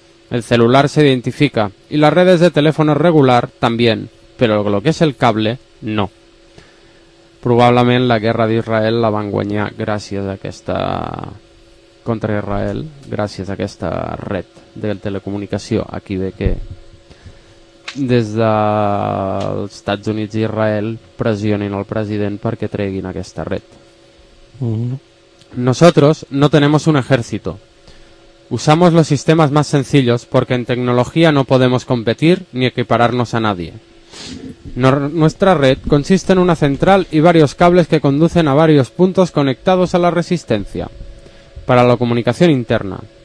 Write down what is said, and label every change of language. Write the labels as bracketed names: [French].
[Spanish] El celular se identifica y las redes de teléfono regular también, pero lo que es el cable, no. Probablemente la guerra de Israel [Catalan] la van guanyar [Spanish] gracias a esta, contra Israel, gracias a esta red de telecomunicación. [Catalan] Aquí ve que des dels Estats Units i Israel pressionin el president perquè treguin aquesta red. [Spanish] Nosotros no tenemos un ejército. Usamos los sistemas más sencillos porque en tecnología no podemos competir ni equipararnos a nadie. Nuestra red consiste en una central y varios cables que conducen a varios puntos conectados a la resistencia para la comunicación interna.